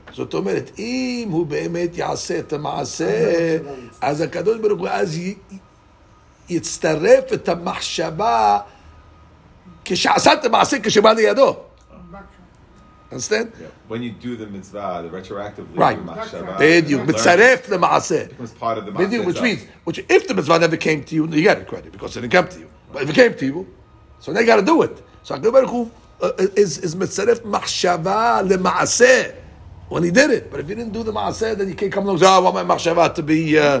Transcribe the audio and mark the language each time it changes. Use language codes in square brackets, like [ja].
[he] זאת אומרת, אם הוא באמת יעשה את המעשה, אז הקדוש ברוך הוא אז יצטרף את המחשבה כשעשה את המעשה כשבא לידו. [en] Understand? Yeah. When you do the mitzvah, the retroactively, right. [he] Machshava, בדיוק, מצרף למעשה. [en] Becomes part of the מעשה. בדיוק, which if the mitzvah never came to you, you got it credit because it didn't come to you. Right. But if it came to you, so they got to do it. So הקדוש ברוך הוא is [he] מצרף מחשבה למעשה [en] when he did it. But if you didn't do the מעשה, then you can't come along and say, oh, I want my מחשבה to be...